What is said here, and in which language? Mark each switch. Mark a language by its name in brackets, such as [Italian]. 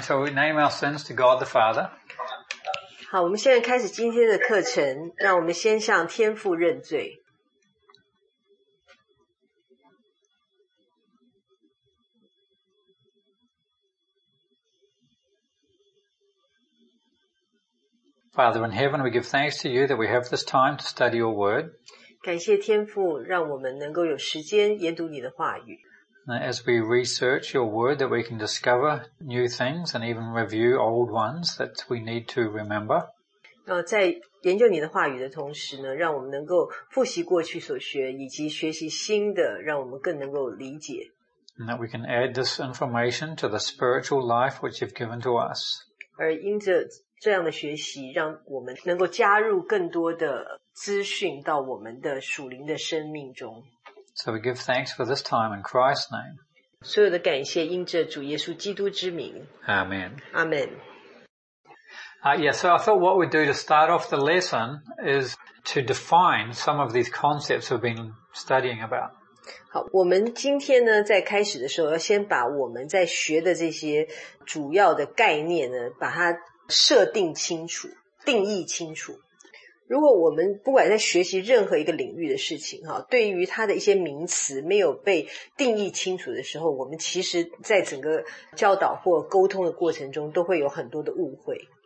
[English] So we name our sins to God the Father. [Chinese] 好，我们现在开始今天的课程，让我们先向天父认罪。 [English] Father in heaven, we give thanks to you that we have this time to study your word. [Chinese] 感谢天父，让我们能够有时间研读你的话语。 [English] As we research your word, that we can discover new things and even review old ones that we need to remember. [Chinese] 在研究你的话语的同时呢，让我们能够复习过去所学，以及学习新的，让我们更能够理解。 [English] And that we can add this information to the spiritual life which you've given to us. [Chinese] 而因着这样的学习，让我们能够加入更多的资讯到我们的属灵的生命中。 [English] So we give thanks for this time in Christ's name. [Chinese] 所有的感谢因着主耶稣基督之名。 [English] Amen. Amen. So I thought what we'd do to start off the lesson is to define some of these concepts we've been studying about. [Chinese] 好，我们今天呢，在开始的时候要先把我们在学的这些主要的概念呢，把它设定清楚，定义清楚。如果我们不管在学习任何一个领域的事情，对于它的一些名词没有被定义清楚的时候，我们其实在整个教导或沟通的过程中都会有很多的误会。